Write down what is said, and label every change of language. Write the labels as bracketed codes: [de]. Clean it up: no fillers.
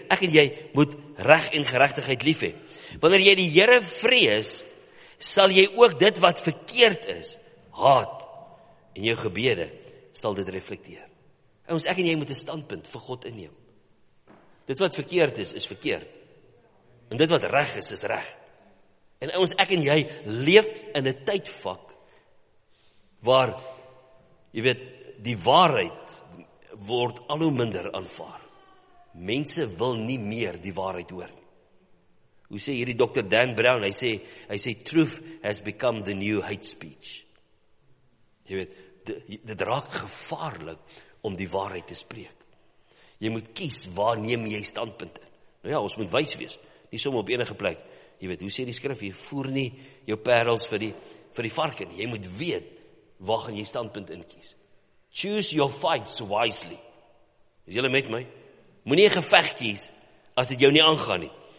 [af] Ek en jy moet reg en geregtigheid lief hê. Wanneer jy die Here vrees, sal jy ook dit wat verkeerd is, haat en jou gebede, sal dit reflekteer. En ons ek en jy moet een standpunt vir God inneem. Dit wat verkeerd is, is verkeerd. En dit wat reg is, is reg. En ons ek en jy leef in een tydvak, waar, jy weet, die waarheid word al hoe minder aanvaar. Mense wil nie meer die waarheid hoor. Hoe sê hierdie Dr. Dan Brown, hy sê, [en] truth has become the new hate speech. [af] Jy weet, dit raak gevaarlik om die waarheid te spreek. Jy moet kies waar neem jy standpunt in. Nou ja, ons moet wys wees, nie som op enige plek. Jy weet, hoe sê die skrif, jy voer nie jou parels vir die varken. Jy moet weet waar gaan jy standpunt in kies. [en] Choose your fights wisely. [af] Is julle met my? Moet nie een geveg kies as dit jou nie aangaan nie.